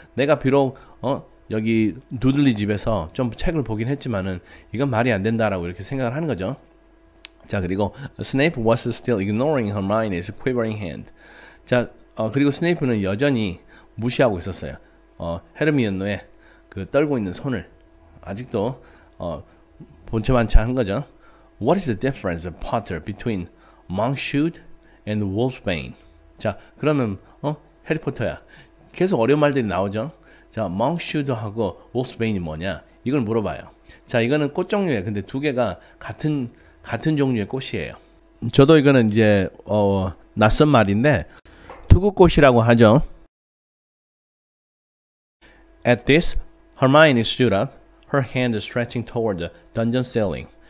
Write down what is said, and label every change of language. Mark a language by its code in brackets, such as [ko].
[ko] 내가 비록 여기 누들리 집에서 좀 책을 보긴 했지만은 이건 말이 안 된다라고 이렇게 생각을 하는 거죠. [en] 자, 그리고 Snape was still ignoring Hermione's quivering hand. [ko] 자, 그리고 스네이프는 여전히 무시하고 있었어요. 헤르미온의 그 떨고 있는 손을 아직도 본체만치한 거죠. [en] What is the difference, Potter, between Monkshood and Wolfsbane? [ko] 자, 그러면 해리포터야, 계속 어려운 말들이 나오죠. 자, Monkshood하고 Wolfsbane이 뭐냐? 이걸 물어봐요. 자, 이거는 꽃 종류예요. 근데 두 개가 같은 종류의 꽃이에요. 저도 이거는 이제 낯선 말인데 투구꽃이라고 하죠. [en] At this, Hermione stood up, her hand stretching toward the dungeon ceiling.